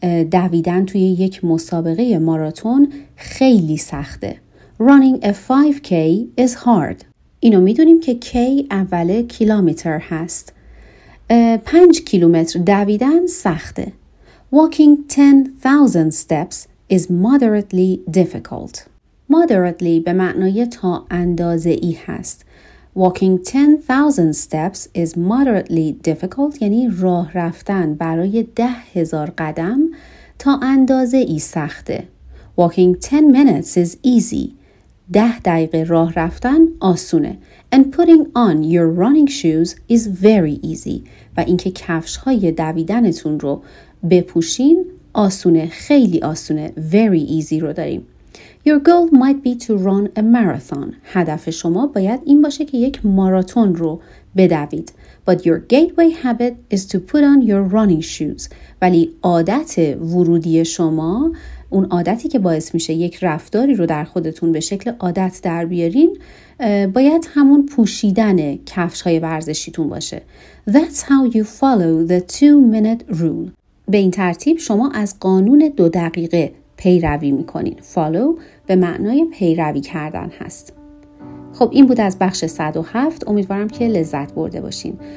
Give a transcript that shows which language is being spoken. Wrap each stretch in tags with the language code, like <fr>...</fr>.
<fa>دویدن توی یک مسابقه ماراتون خیلی سخته.</fa> <en>Running a 5K is hard.</en> <fa>اینو میدونیم که K اول کیلومتر هست. 5 کیلومتر دویدن سخته.</fa> <en>Walking 10,000 steps is moderately difficult.</en> <fa>Moderately به معنای تا اندازه ای هست.</fa> <en>Walking 10,000 steps is moderately difficult</en> <fa>یعنی راه رفتن برای 10,000 قدم تا اندازه ای سخته.</fa> <en>Walking 10 minutes is easy.</en> <fa>10 دقیقه راه رفتن آسونه.</fa> <en>And putting on your running shoes is very easy.</en> <fa>و اینکه کفش های دویدنتون رو بپوشین آسونه، خیلی آسونه.</fa> <en>Very easy</en> <fa>رو داریم.</fa> <en>Your goal might be to run a marathon.</en> <fa>هدف شما باید این باشه که یک ماراتون رو بدوید.</fa> <en>But your gateway habit is to put on your running shoes.</en> <fa>ولی عادت ورودی شما، اون عادتی که باعث میشه یک رفتاری رو در خودتون به شکل عادت در بیارین، باید همون پوشیدن کفش های ورزشیتون باشه.</fa> <en>That's how you follow the 2-minute rule.</en> <fa>به این ترتیب شما از قانون 2 دقیقه پیروی میکنین. Follow به معنای پیروی کردن هست. خب این بود از بخش 107. امیدوارم که لذت برده باشین.</fa>